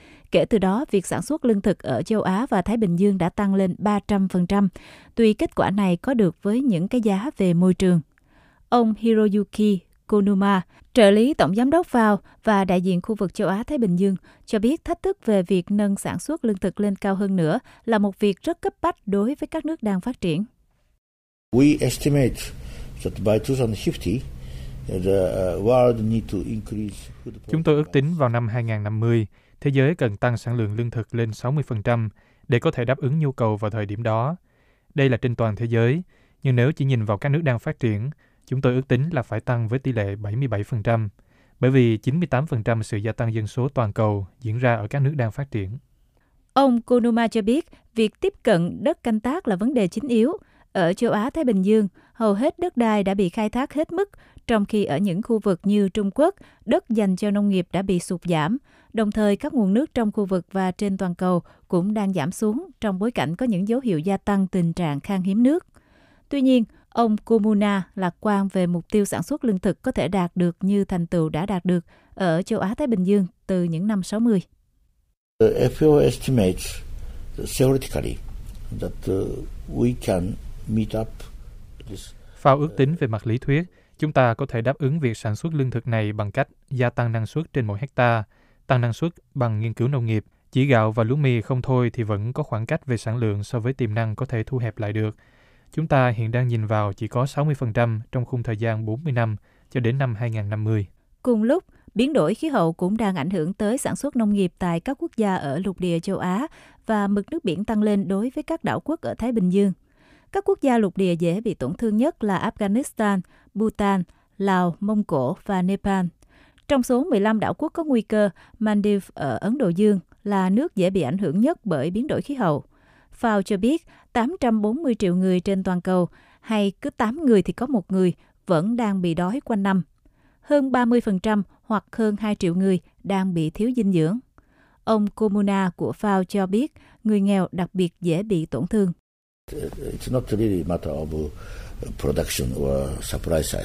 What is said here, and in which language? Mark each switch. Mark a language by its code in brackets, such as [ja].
[vi] Kể từ đó, việc sản xuất lương thực ở châu Á và Thái Bình Dương đã tăng lên 300%, tuy kết quả này có được với những cái giá về môi trường. Ông Hiroyuki Konuma, trợ lý tổng giám đốc FAO và đại diện khu vực châu Á-Thái Bình Dương, cho biết thách thức về việc nâng sản xuất lương thực lên cao hơn nữa là một việc rất cấp bách đối với các nước đang phát triển. [en] We estimate that by 2050, the world need to increase food production. [vi] Chúng tôi ước tính vào năm 2050, thế giới cần tăng sản lượng lương thực lên 60% để có thể đáp ứng nhu cầu vào thời điểm đó. Đây là trên toàn thế giới, nhưng nếu chỉ nhìn vào các nước đang phát triển, chúng tôi ước tính là phải tăng với tỷ lệ 77%, bởi vì 98% sự gia tăng dân số toàn cầu diễn ra ở các nước đang phát triển. Ông Konuma cho biết, việc tiếp cận đất canh tác là vấn đề chính yếu. Ở châu Á-Thái Bình Dương, hầu hết đất đai đã bị khai thác hết mức, trong khi ở những khu vực như Trung Quốc, đất dành cho nông nghiệp đã bị sụt giảm. Đồng thời, các nguồn nước trong khu vực và trên toàn cầu cũng đang giảm xuống trong bối cảnh có những dấu hiệu gia tăng tình trạng khan hiếm nước. Tuy nhiên, ông Kumuna lạc quan về mục tiêu sản xuất lương thực có thể đạt được như thành tựu đã đạt được ở châu Á Thái Bình Dương từ những năm 60. [en] The FAO estimates theoretically that we can meet up this. [vi] FAO ước tính về mặt lý thuyết, chúng ta có thể đáp ứng việc sản xuất lương thực này bằng cách gia tăng năng suất trên mỗi hecta, tăng năng suất bằng nghiên cứu nông nghiệp. Chỉ gạo và lúa mì không thôi thì vẫn có khoảng cách về sản lượng so với tiềm năng có thể thu hẹp lại được. Chúng ta hiện đang nhìn vào chỉ có 60% trong khung thời gian 40 năm cho đến năm 2050. Cùng lúc, biến đổi khí hậu cũng đang ảnh hưởng tới sản xuất nông nghiệp tại các quốc gia ở lục địa châu Á và mực nước biển tăng lên đối với các đảo quốc ở Thái Bình Dương. Các quốc gia lục địa dễ bị tổn thương nhất là Afghanistan, Bhutan, Lào, Mông Cổ và Nepal. Trong số 15 đảo quốc có nguy cơ, Maldives ở Ấn Độ Dương là nước dễ bị ảnh hưởng nhất bởi biến đổi khí hậu. FAO cho biết 840 triệu người trên toàn cầu, hay cứ 8 người thì có 1 người, vẫn đang bị đói quanh năm. Hơn 30% hoặc hơn 2 triệu người đang bị thiếu dinh dưỡng. Ông Kumuna của FAO cho biết người nghèo đặc biệt dễ bị tổn thương. [en] It's not really a matter of production or supply side.